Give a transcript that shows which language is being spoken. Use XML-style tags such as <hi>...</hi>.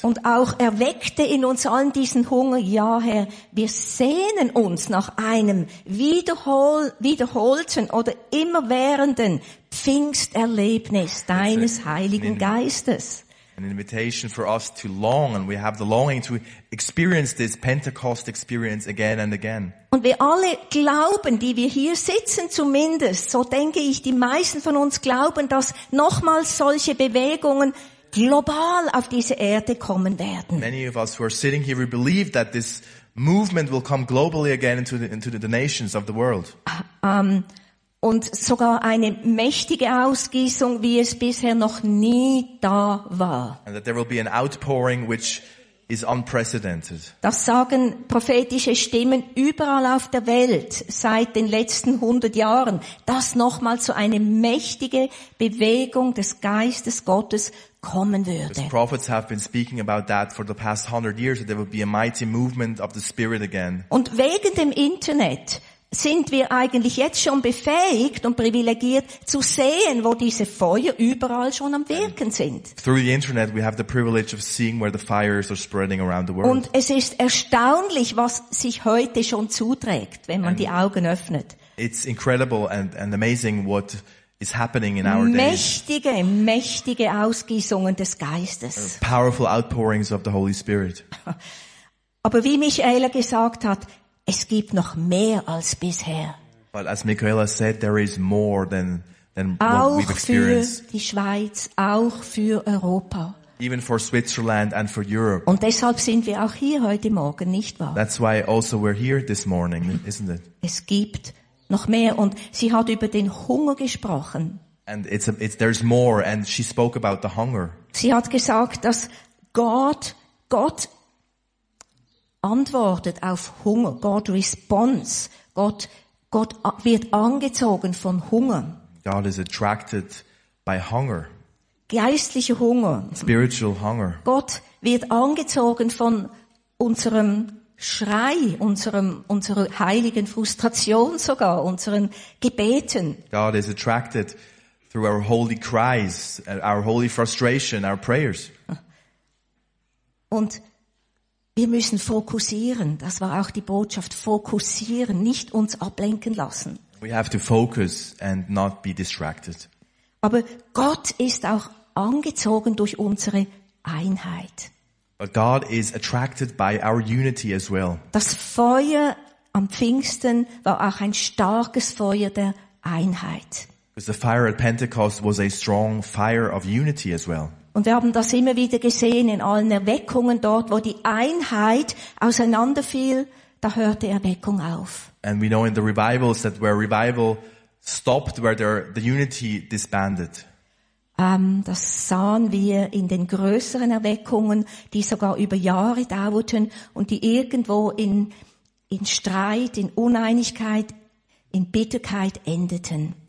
<de>Und auch erweckte in uns allen diesen Hunger. Ja, Herr, wir sehnen uns nach einem wiederholten oder immerwährenden Pfingsterlebnis deines Heiligen Geistes.</de> <en>An invitation for us to long, and we have the longing to experience this Pentecost experience again and again.</en> <de>Und wir alle glauben, die wir hier sitzen zumindest, so denke ich, die meisten von uns glauben, dass nochmals solche Bewegungen global auf diese Erde kommen werden.</de> <en>Many of us who are sitting here, we believe that this movement will come globally again into the nations of the world.</en> <de>Und sogar eine mächtige Ausgießung, wie es bisher noch nie da war.</de> <en>And that there will be an outpouring which is unprecedented.</en> <de>Das sagen prophetische Stimmen überall auf der Welt seit den letzten 100 Jahren, dass nochmal so eine mächtige Bewegung des Geistes Gottes kommen würde.</de> <en>The prophets have been speaking about that for the past 100 years, that there will be a mighty movement of the Spirit again.</en> <de>Und wegen dem Internet sind wir eigentlich jetzt schon befähigt und privilegiert zu sehen, wo diese Feuer überall schon am Wirken sind.</de> <en>Through the internet we have the privilege of seeing where the fires are spreading around the world.</en> <de>Und es ist erstaunlich, was sich heute schon zuträgt, wenn man die Augen öffnet.</de> <en>It's incredible and amazing what is happening in our</en> <de>mächtige,</de> <en>days.</en> <de>Mächtige Ausgießungen des Geistes.</de> <en>Powerful outpourings of the Holy Spirit.</en> <de>Aber wie Michaela gesagt hat, es gibt noch mehr als bisher.</de> <en>But as Michaela said, there is more than</en> <de>auch</de> <en>what we've experienced.</en> <de>Auch für die Schweiz, auch für Europa.</de> <en>Even for Switzerland and for Europe.</en> <de>Und deshalb sind wir auch hier heute Morgen, nicht wahr?</de> <en>That's why also we're here this morning, isn't it?</en> <de>Es gibt noch mehr und sie hat über den Hunger gesprochen.</de> <en>And there's more and she spoke about the hunger.</en> <de>Sie hat gesagt, dass Gott antwortet auf Hunger.</de> <en>God responds.</en> <de>Gott wird angezogen von Hunger.</de> <en>God is attracted by hunger.</en> <de>Geistlicher Hunger.</de> <en>Spiritual hunger.</en> <de>Gott wird angezogen von unserem Schrei, unserer heiligen Frustration sogar, unseren Gebeten.</de> <en>God is attracted through our holy cries, our holy frustration, our prayers.</en> <de>Und wir müssen fokussieren, das war auch die Botschaft, fokussieren, nicht uns ablenken lassen.</de> <en>We have to focus and not be distracted.</en> <de>Aber Gott ist auch angezogen durch unsere Einheit.</de> <en>But God is attracted by our unity as well.</en> <de>Das Feuer am Pfingsten war auch ein starkes Feuer der Einheit.</de> <en>Because the fire at Pentecost was a strong fire of unity as well.</en> <de>Und wir haben das immer wieder gesehen in allen Erweckungen dort, wo die Einheit auseinanderfiel, da hört die Erweckung auf.</de> <en>And we know in the revivals that where revival stopped, where the unity disbanded.</en> <de>Das sahen wir in den größeren Erweckungen, die sogar über Jahre dauerten und die irgendwo in Streit, in Uneinigkeit, in Bitterkeit endeten.</de>